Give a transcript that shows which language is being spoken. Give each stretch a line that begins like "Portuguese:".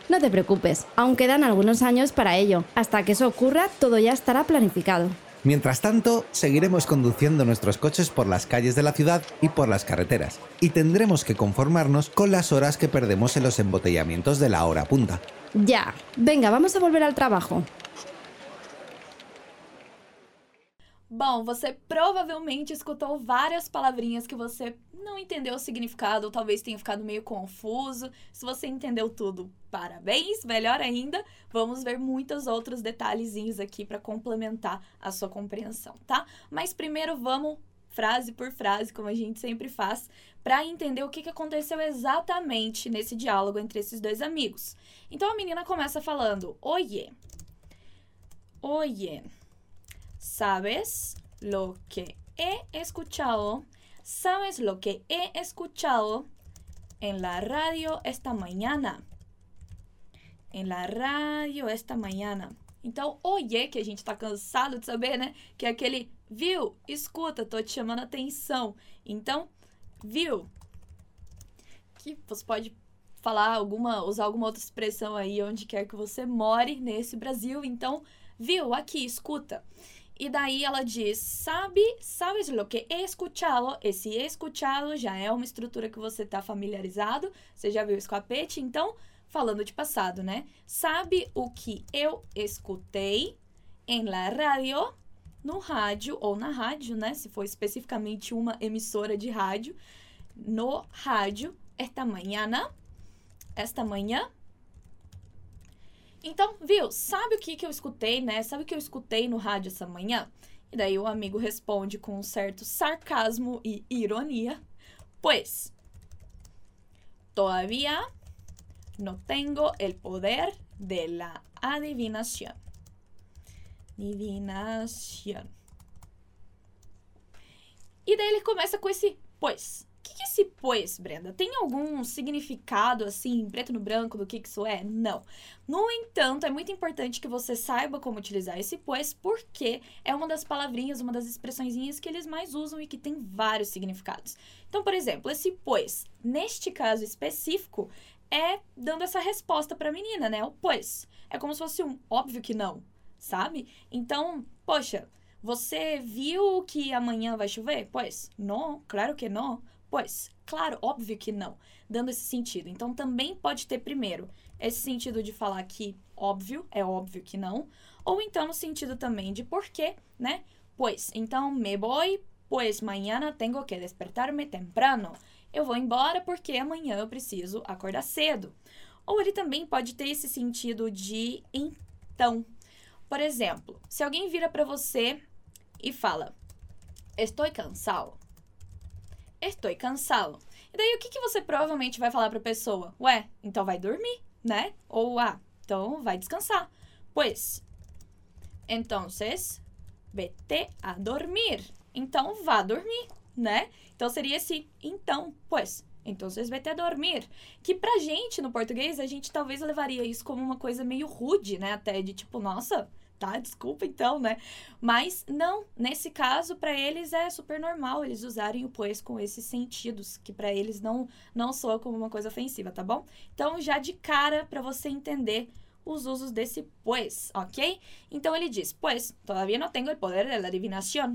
Spanish: No te preocupes, aún quedan algunos años para ello. Hasta que eso ocurra, todo ya estará planificado. Mientras tanto, seguiremos conduciendo nuestros coches por las calles de la ciudad y por las carreteras, y tendremos que conformarnos con las horas que perdemos en los embotellamientos de la hora punta. Ya, venga, vamos a volver al trabajo.
Portuguese: Bom, você provavelmente escutou várias palavrinhas que você não entendeu o significado, ou talvez tenha ficado meio confuso. Se você entendeu tudo, parabéns! Melhor ainda, vamos ver muitos outros detalhezinhos aqui para complementar a sua compreensão, tá? Mas primeiro vamos frase por frase, como a gente sempre faz, para entender o que que aconteceu exatamente nesse diálogo entre esses dois amigos. Então a menina começa falando: Oiê!
Spanish: Oiê! ¿Sabes lo que he escuchado? ¿Sabes lo que he escuchado en la radio esta mañana? En la radio esta mañana.
Portuguese: Então, oiê, que a gente tá cansado de saber, né? Que é aquele viu, escuta, tô te chamando atenção. Então, viu. Que você pode falar alguma, usar alguma outra expressão aí onde quer que você more nesse Brasil. Então, viu, aqui, escuta. E daí ela diz,
Spanish: sabes lo que he escuchado?
Portuguese: Esse he escuchado já é uma estrutura que você está familiarizado, você já viu o escoapete, então, falando de passado, né? Sabe o que eu escutei
Spanish: en la radio,
Portuguese: no rádio, ou na rádio, né? Se for especificamente uma emissora de rádio, no rádio, esta manhã, Então, viu, sabe o que que eu escutei, né? Sabe o que eu escutei no rádio essa manhã? E daí o amigo responde com um certo sarcasmo e ironia.
Spanish: Pues, todavía no tengo el poder de la adivinación. Adivinación.
Portuguese: E daí ele começa com esse pues. O que, que é esse pois, Brenda? Tem algum significado, assim, preto no branco do que isso é? Não. No entanto, é muito importante que você saiba como utilizar esse pois, porque é uma das palavrinhas, uma das expressõezinhas que eles mais usam e que tem vários significados. Então, por exemplo, esse pois, neste caso específico, é dando essa resposta para a menina, né? O pois. É como se fosse um óbvio que não, sabe? Então, poxa, você viu que amanhã vai chover? Pois, não, claro que não. Pois, claro, óbvio que não, dando esse sentido. Então, também pode ter, primeiro, esse sentido de falar que óbvio, é óbvio que não, ou então o sentido também de porquê, né?
Spanish: Pois, então, me voy, pues mañana tengo que despertarme temprano.
Portuguese: Eu vou embora porque amanhã eu preciso acordar cedo. Ou ele também pode ter esse sentido de então. Por exemplo, se alguém vira para você e fala,
Spanish: estoy cansado. Estoy cansado.
Portuguese: E daí, o que você provavelmente vai falar para a pessoa? Ué, então vai dormir, né? Ou, então vai descansar.
Spanish: Pois, entonces, vete a dormir.
Portuguese: Então, vá dormir, né? Então, seria esse, então, pois,
Spanish: entonces, vete a dormir.
Portuguese: Que pra gente, no português, a gente talvez levaria isso como uma coisa meio rude, né? Até de tipo, nossa, tá, desculpa então, né? Mas não, nesse caso, para eles é super normal eles usarem o pois com esses sentidos, que para eles não soa como uma coisa ofensiva, tá bom? Então, já de cara, para você entender os usos desse pois, ok? Então, ele diz,
Spanish: pois, todavía no tengo el poder de la adivinación.